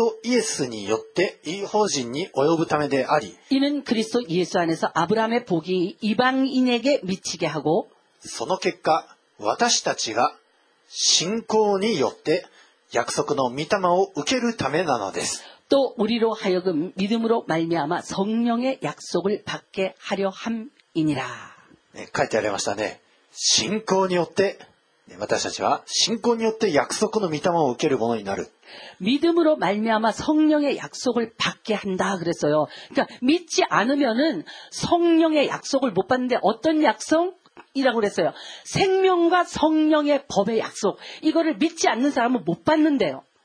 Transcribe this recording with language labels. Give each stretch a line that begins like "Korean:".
Japanese: このことはアブラハムへの祝福がキリストイエスによって異邦人に及ぶためであり
Korean: 이는 그리스도 예수 안에서 아브라함의 복이 이방인에게 미치게 하고
Japanese: その結果私たちが信仰によって
Korean: 약속의 미타마를
Japanese: 受ける ためなのです.
Korean: 또 우리로 하여금 믿음으로 말미암아 성령의 약속을 받게 하려 함이니라.
Japanese: 네, 書いてありましたね。信仰によって私たちは信仰によって約束の御霊を受けるものになる。
Korean: 믿음으로말미암아성령의약속을받게한다그랬어요그러니까믿지않으면은성령의약속을못받는데어떤약속이라고그랬어요생명과성령의법의약속이거를믿지않는사람은못받는데요